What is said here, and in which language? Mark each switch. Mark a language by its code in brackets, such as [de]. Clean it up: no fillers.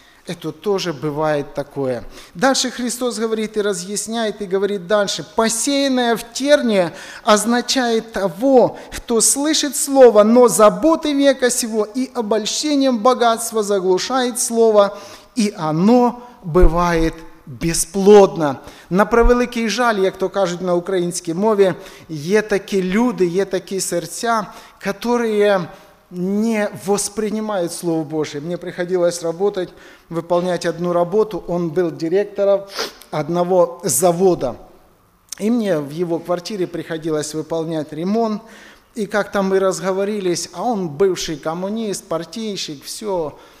[ru] Это тоже бывает такое. Дальше Христос говорит и разъясняет, и говорит дальше: посеянное в терния означает того, кто слышит слово, но заботы века сего и обольщением богатства заглушает слово, и оно бывает бесплодно. [uk] На превеликий жаль, як то кажуть на українській мові, є такі люди, є такі серця, [ru] которые не воспринимают Слово Божие. Мне приходилось работать, выполнять одну работу. Он был директором одного завода. И мне в его квартире приходилось выполнять ремонт. И как-то мы разговорились, а он бывший коммунист, партийщик, все.